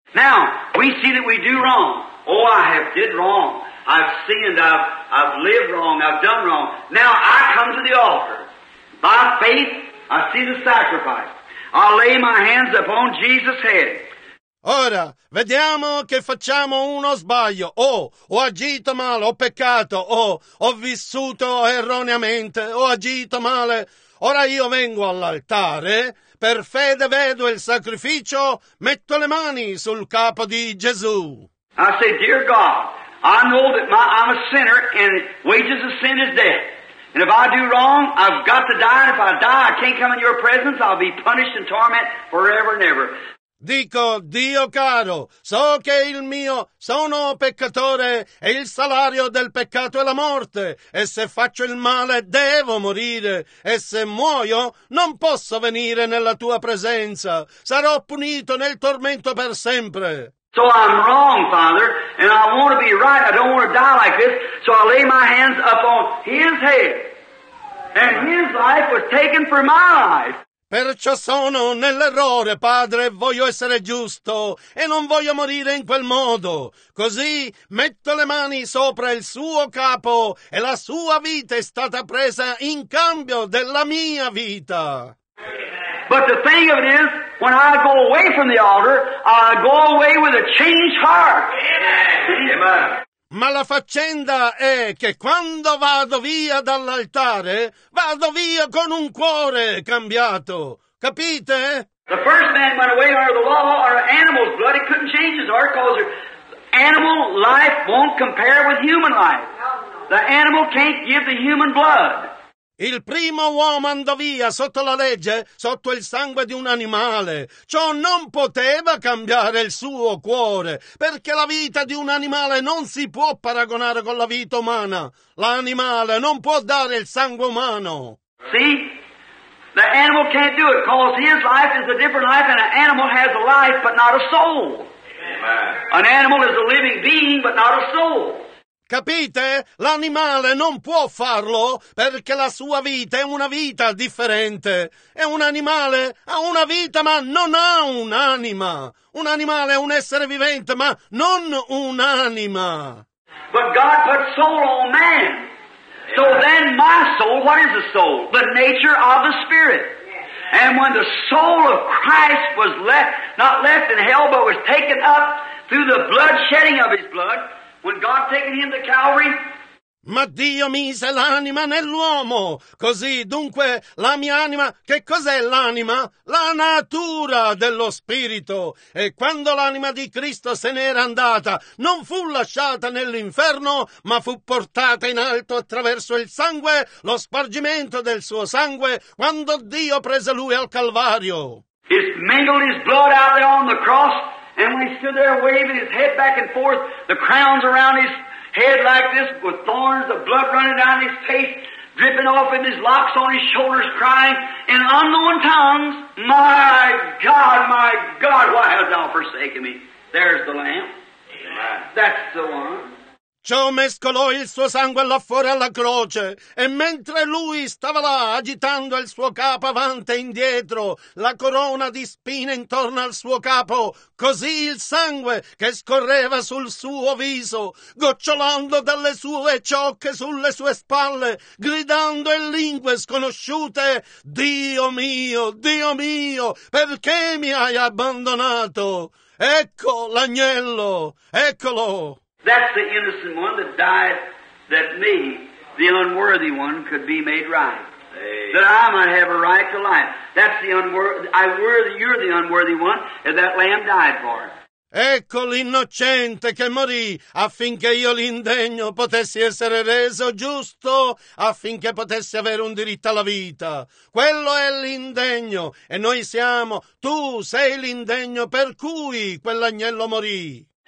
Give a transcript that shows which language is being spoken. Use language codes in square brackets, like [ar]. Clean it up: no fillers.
[en] Now, we see that we do wrong. Oh, I have did wrong. I've sinned. I've lived wrong. I've done wrong. Now, I come to the altar. By faith, I see the sacrifice. I lay my hands upon Jesus' head. [it] Ora, vediamo che facciamo uno sbaglio. Oh, ho agito male, ho peccato. Oh, ho vissuto erroneamente, ho agito male. Ora io vengo all'altare, per fede vedo il sacrificio, metto le mani sul capo di Gesù. [en] I say, dear God, I know that I'm a sinner and wages of sin is death. And if I do wrong, I've got to die. And if I die, I can't come in your presence. I'll be punished in torment forever and ever. [it] Dico, Dio caro, so che il mio sono peccatore e il salario del peccato è la morte, e se faccio il male devo morire, e se muoio non posso venire nella tua presenza, sarò punito nel tormento per sempre. [en] So I'm wrong, Father, and I want to be right, I don't want to die like this, so I lay my hands upon his head, and his life was taken for my life. [it] Perciò sono nell'errore, Padre, voglio essere giusto e non voglio morire in quel modo. Così metto le mani sopra il suo capo e la sua vita è stata presa in cambio della mia vita. [en] But the thing of it is, when I go away from the altar, I go away with a changed heart. Amen. [it] Ma la faccenda è che quando vado via dall'altare, vado via con un cuore cambiato. Capite? [en] The first man went away under the law, or animal's blood, it couldn't change his heart, because animal life won't compare with human life. The animal can't give the human blood. [it] Il primo uomo andò via sotto la legge, sotto il sangue di un animale. Ciò non poteva cambiare il suo cuore, perché la vita di un animale non si può paragonare con la vita umana. L'animale non può dare il sangue umano. [en] See? The animal can't do it, because his life is a different life, and an animal has a life, but not a soul. Amen. An animal is a living being, but not a soul. [it] Capite? L'animale non può farlo perché la sua vita è una vita differente. È un animale, ha una vita ma non ha un'anima. Un animale è un essere vivente ma non un'anima. [en] But God put soul on man. So then my soul, what is the soul? The nature of the spirit. And when the soul of Christ was left, not left in hell but was taken up through the blood shedding of his blood, when God taken him to Calvary? [it] Ma Dio mise l'anima nell'uomo. Così, dunque, la mia anima, che cos'è l'anima? La natura dello spirito. E quando l'anima di Cristo se n'era andata, non fu lasciata nell'inferno, ma fu portata in alto attraverso il sangue, lo spargimento del suo sangue, quando Dio prese lui al Calvario. [en] He's mingled his blood out there on the cross. And when he stood there waving his head back and forth, the crowns around his head like this, with thorns, the blood running down his face, dripping off in his locks on his shoulders, crying in unknown tongues, my God, why hast thou forsaken me? There's the Lamb. Amen. That's the one. [it] Ciò mescolò il suo sangue là fuori alla croce, e mentre lui stava là agitando il suo capo avanti e indietro, la corona di spine intorno al suo capo, così il sangue che scorreva sul suo viso, gocciolando dalle sue ciocche sulle sue spalle, gridando in lingue sconosciute, Dio mio, perché mi hai abbandonato? Ecco l'agnello, eccolo! [en] That's the innocent one that died that me, the unworthy one, could be made right. Amen. That I might have a right to life. That's the unworthy, you're the unworthy one, and that lamb died for it. [it] Ecco l'innocente che morì affinché io l'indegno potessi essere reso giusto, affinché potessi avere un diritto alla vita. Quello è l'indegno e noi siamo, tu sei l'indegno per cui quell'agnello morì.